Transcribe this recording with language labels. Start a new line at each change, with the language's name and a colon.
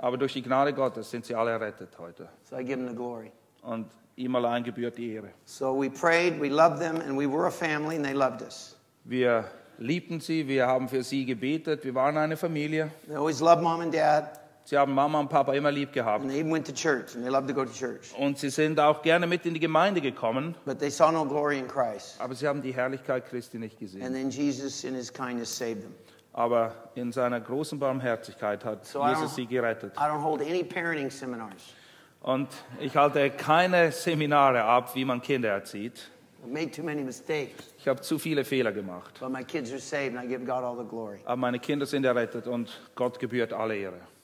German: Aber durch die Gnade Gottes sind sie alle errettet heute.
English: So I give them the glory.
German: Und ihm allein gebührt die Ehre.
English: So we prayed, we loved them, and we were a family, and they loved us.
German: Wir liebten sie, wir haben für sie gebetet, wir waren eine Familie.
English: They always loved Mom and Dad.
German: Sie haben Mama und Papa immer lieb gehabt.
English: And they even went to church, and they loved to go to church.
German: Und sie sind auch gerne mit in die Gemeinde gekommen.
English: But they saw no glory in Christ.
German: Aber sie haben die Herrlichkeit Christi nicht gesehen.
English: And then Jesus in his kindness saved them.
German: Aber in seiner großen Barmherzigkeit hat so Jesus sie gerettet.
English: I don't hold any parenting seminars.
German: Und ich halte keine Seminare ab, wie man Kinder erzieht.
English: I made too many mistakes.
German: Ich habe zu viele Fehler gemacht.
English: But my kids are saved, and I give God all the glory.
German: Aber meine Kinder sind errettet, und Gott gebührt alle Ehre.